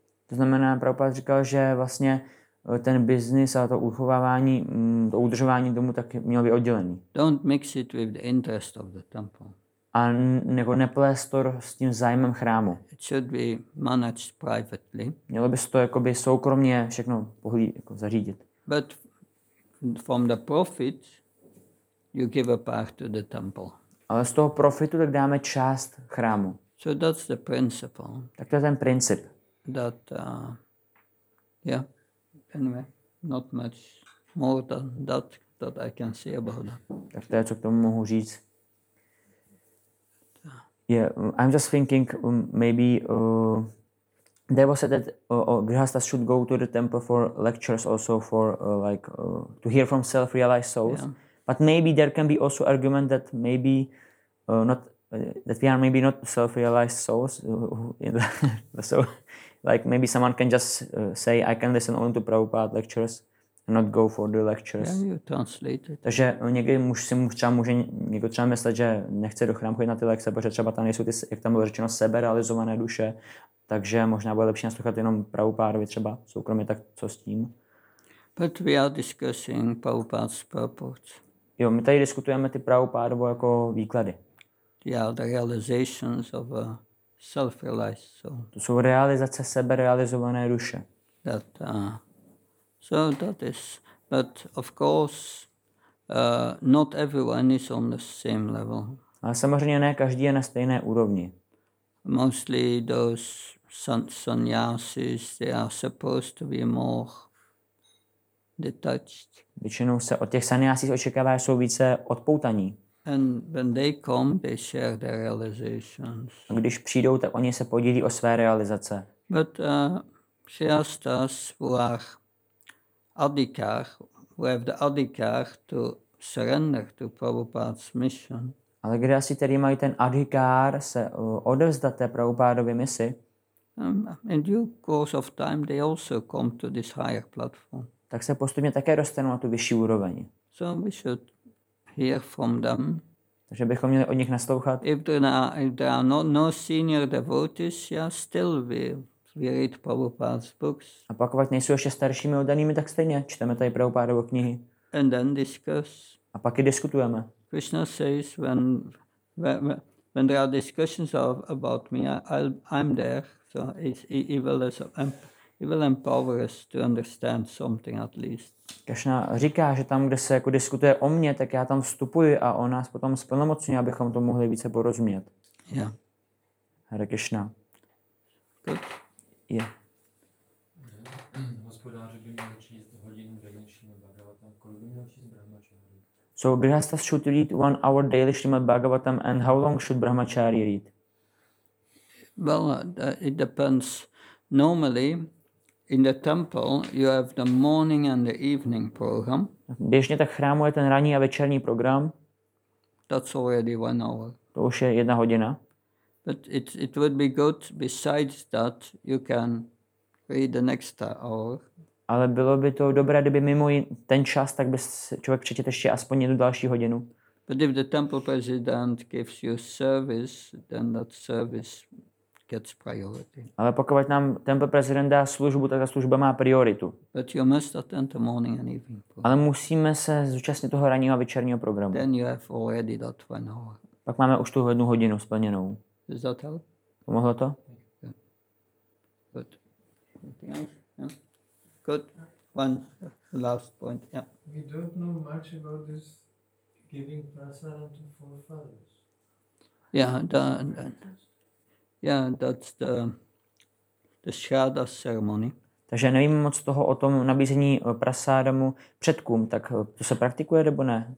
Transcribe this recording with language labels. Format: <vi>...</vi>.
<cs>To znamená, Prabhupada říkal, že vlastně ten business a to uchovávání, to udržování domu tak mělo být oddělený.</cs> <en>Don't mix it with the interest of the temple.</en> <cs>A nebo neplést to s tím zájmem chrámu.</cs> <en>It should be managed privately.</en> <cs>Mělo by se to jakoby soukromně všechno pohlí, jako zařídit.</cs> <en>But from the profit you give a part to the temple.</en> <cs>Ale z toho profitu tak dáme část chrámu.</cs> <en>So that's the principle.</en> <cs>Tak to je ten princip.</cs> <en>That, yeah, anyway, not much more than that, that I can say about that.</en> <cs>Tak to je, co k tomu mohu říct.</cs> <en>Yeah, I'm just thinking maybe there was said that Grihastha should go to the temple for lectures also for to hear from self-realized souls. Yeah. But maybe there can be also argument that maybe that we are maybe not self-realized souls. So like maybe someone can just say I can listen only to Prabhupada lectures and not go for the lectures. Yeah, you translate it.</en> <cs>Takže někdy může někdo třeba myslet, že nechce do chrámu chodit na ty lekce, protože třeba tam nejsou ty, jak tam bylo řečeno, seberealizované duše, takže možná bude lepší naslouchat jenom Prabhupádovi třeba soukromě, tak co s tím.</cs> <en>But we are discussing Prabhupada's purport.</en> <cs>Jo, my tady diskutujeme ty Prabhupádovo jako výklady.</cs> <en>Yeah, the realizations of a self-realized soul.</en> <cs>To jsou realizace seberealizované duše.</cs> <en>That, so that is, but of course, not everyone is on the same level.</en> <cs>Ale samozřejmě ne, každý je na stejné úrovni.</cs> <en>Mostly those sannyasis, they are supposed to be more detached.</en> <cs>Většinou se od těch sannyasis očekává, že jsou více odpoutaní.</cs> <en>And when they come, they share their realizations.</en> <cs>A když přijdou, tak oni se podílí o své realizace.</cs> <en>But Grihasthas who are adhikar, who have the adhikar to surrender to Prabhupada's mission.</en> <cs>Ale Grihasthi, který mají ten adhikar, se odevzdat té Prabhupádově misi.</cs> <en>In due course of time, they also come to this higher platform.</en> <cs>Tak se postupně také dostanou na tu vyšší úroveň.</cs> <en>So we should hear from them.</en> <cs>Takže bychom měli od nich naslouchat.</cs> <en>If there are no senior devotees, yeah, still we read Prabhupada's books.</en> <cs>A pokud nejsou ještě staršími oddanými, tak stejně čteme tady Prabhupádovo knihy.</cs> <en>And then discuss.</en> <cs>A pak i diskutujeme.</cs> <en>Krishna says when there are discussions of about me, I'm there. So he will empower us to understand something at least.</en> <cs>Krishna říká, že tam, kde se jako diskutuje o mně, tak já tam vstupuji a on nás potom zplnomocní, abychom to mohli více porozumět.</cs> <en>Yeah. Hare Krishna. Good. Yeah.</en> <cs>Hospodáři by měli číst hodinu daily Srimad Bhagavatam. Kolik by měl číst Brahmachari?</cs> <en>So Grihastha should read 1 hour daily Srimad Bhagavatam and how long should Brahmachari read? Well, it depends. Normally, in the temple, you have the morning and the evening program.</en> <cs>Běžně tak chrámuje ten ranní a večerní program.</cs> <en>That's already 1 hour.</en> <cs>To už je jedna hodina.</cs> <en>But it would be good, besides that, you can read the next hour.</en> <cs>Ale bylo by to dobré, kdyby mimo ten čas, tak by člověk přečetl ještě aspoň jednu další hodinu.</cs> <en>But if the temple president gives you service, then that service gets priority.</en> <cs>Ale pokud nám temple prezident dá službu, tak ta služba má prioritu.</cs> <en>But you must attend the morning and evening program.</en> <cs>Ale musíme se zúčastnit toho ranního a večerního programu.</cs> <en>Then you have already that 1 hour.</en> <cs>Pak máme už tu jednu hodinu splněnou.</cs> <en>Does that help?</en> <cs>Pomohlo to?</cs> <en>Good. Anything else? Yeah. Good. One last point. Yeah. We don't know much about this giving prasadam to forefathers. That's the shraddha ceremony.</en> <cs>Takže nevím moc toho o tom nabízení prasádamu předkům, tak to se praktikuje nebo ne?</cs>